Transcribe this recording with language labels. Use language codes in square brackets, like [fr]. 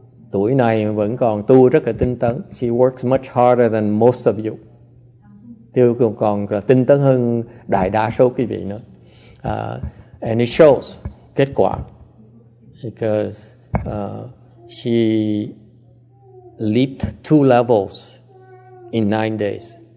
[vi] Tuổi này vẫn còn tu rất là tinh tấn. [en] She works much harder than most of you. [vi] Tiêu còn là tinh tấn hơn đại đa số quý vị nữa. [en] And it shows. [vi] Kết quả, [en] because she leaped 2 levels in 9 days.